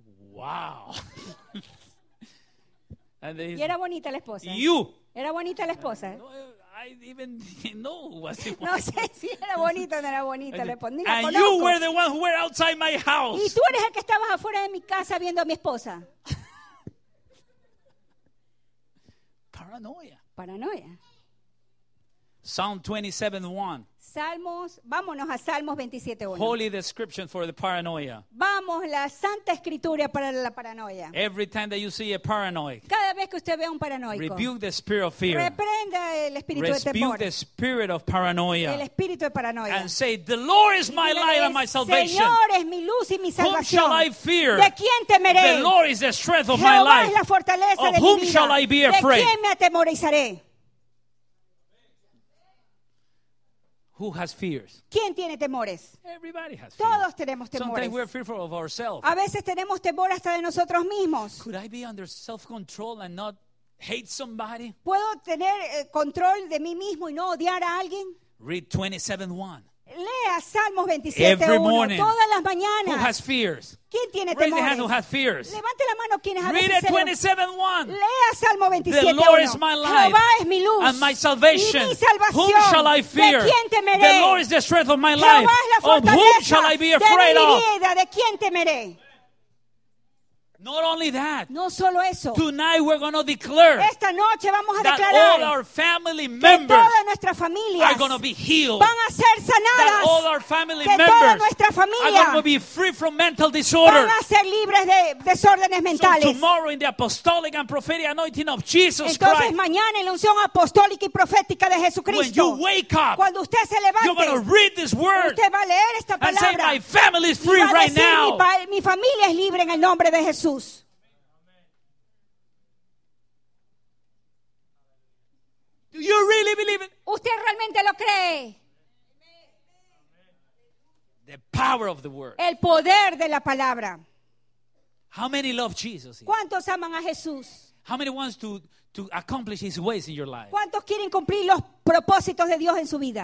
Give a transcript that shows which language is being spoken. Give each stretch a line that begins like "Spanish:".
English: Wow.
Spanish: And y era bonita la esposa.
English: You.
Spanish: Era bonita la esposa.
English: I even didn't know what it was.
Spanish: No sé si era bonita o no era bonita.
English: And
Spanish: la
English: you were the one who were outside my house.
Spanish: Y tú eres el que estabas afuera de mi casa viendo a mi esposa.
English: Paranoia.
Spanish: Paranoia.
English: Psalm 27:1.
Spanish: Salmos, vámonos a Salmos 27:1.
English: Holy description for the paranoia.
Spanish: Vamos, la santa escritura para la paranoia.
English: Every time that you see a paranoid.
Spanish: Cada vez que usted vea un paranoico.
English: Rebuke the spirit of fear.
Spanish: Reprenda el espíritu de temor.
English: Rebuke the spirit of paranoia.
Spanish: El espíritu de paranoia.
English: And say, the Lord is my light and my salvation.
Spanish: El Señor es mi luz y mi salvación.
English: Whom shall I fear?
Spanish: ¿De quién temeré?
English: The Lord is the strength of my life.
Spanish: Jehová es la fortaleza de mi vida.
English: Whom shall I be afraid?
Spanish: ¿De quién me atemorizaré?
English: Who has fears?
Spanish: ¿Quién tiene temores?
English: Everybody has fears.
Spanish: Todos tenemos temores.
English: Sometimes we're fearful of ourselves.
Spanish: A veces tenemos temor hasta de nosotros mismos.
English: Could I be under self-control and not hate somebody?
Spanish: ¿Puedo tener control de mí mismo y no odiar a alguien?
English: Read 27:1.
Spanish: Lea Salmos 27:1 todas las mañanas.
English: Who has fears?
Spanish: ¿Quién tiene
English: Raise
Spanish: temores?
English: The hand who has fears.
Spanish: Levante la mano quien es a veces.
English: Read 27:1.
Spanish: Lea Salmo 27:1.
English: The Lord is my light.
Spanish: Jehová es mi luz.
English: And my salvation.
Spanish: Y mi salvación.
English: Whom shall I fear?
Spanish: ¿De quién temeré?
English: The Lord is the strength of my life.
Spanish: Jehová es la fortaleza.
English: Of whom shall I be afraid
Spanish: de mi vida. ¿De quién temeré?
English: Not only that.
Spanish: No solo eso.
English: Tonight we're going to declare.
Spanish: Esta noche vamos a
English: that
Spanish: declarar.
English: All our family members.
Spanish: Que todas nuestras familias.
English: Are going to be healed.
Spanish: Van a ser sanadas.
English: That all our family
Spanish: que
English: members.
Spanish: Toda nuestra familia.
English: Are going to be free from mental disorder.
Spanish: Van a ser libres de desórdenes mentales.
English: So tomorrow in the apostolic and prophetic anointing of Jesus
Spanish: Entonces, Entonces mañana en la unción apostólica y profética de Jesucristo.
English: When you wake up.
Spanish: Cuando usted se levante.
English: You're going to read this word.
Spanish: Usted va a leer esta palabra.
English: And say my family is free
Spanish: decir,
English: right now.
Spanish: Mi familia es libre en el nombre de Jesús.
English: Do you really believe it?
Spanish: ¿Usted realmente lo cree?
English: The power of the word.
Spanish: El poder de la palabra.
English: How many love Jesus?
Spanish: ¿Cuántos aman a Jesús?
English: How many wants to accomplish his ways in your life?
Spanish: ¿Cuántos quieren cumplir los propósitos de Dios en su vida?